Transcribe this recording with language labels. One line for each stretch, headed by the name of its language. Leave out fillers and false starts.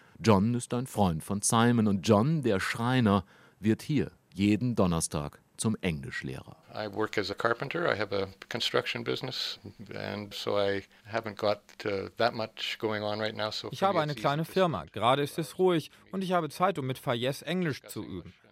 German: John ist ein Freund von Simon und John, der Schreiner, wird hier jeden Donnerstag zum Englischlehrer.
English: I work as a carpenter. I have a construction business, and so I haven't got that much going on right now. So
German: ich habe eine kleine Firma. Gerade ist es ruhig und ich habe Zeit, um mit Fayez Englisch zu üben.